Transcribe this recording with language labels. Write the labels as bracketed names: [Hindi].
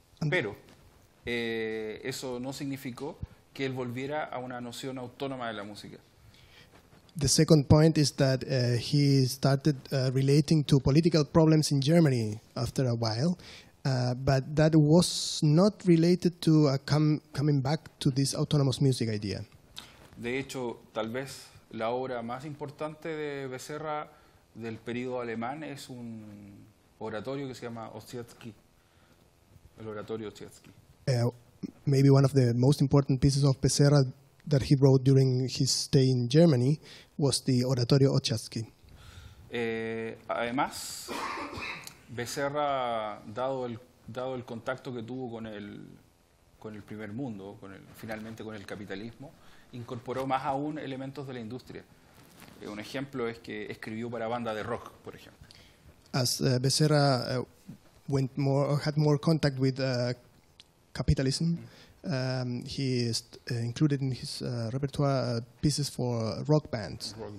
[Spanish] Pero eso no significó que él volviera a una noción autónoma de la música. [English] The second point is that he started relating to political problems in Germany after a while, but that was not related to coming back to this autonomous music idea. [Spanish] De hecho, tal vez la obra más importante de Becerra del periodo alemán es un oratorio que se llama Ossietzky, el oratorio Ossietzky. [English] Maybe one of the most important pieces of Becerra that he wrote during his stay in Germany was the Oratorio Ossietzky. [Spanish] Además, Becerra, dado el contacto que tuvo con el primer mundo, finalmente con el capitalismo, incorporó más aún elementos de la industria. Un ejemplo es que escribió para banda de rock, por ejemplo. [English] As Becerra went more or had more contact with capitalism, he included in his repertoire pieces for rock bands.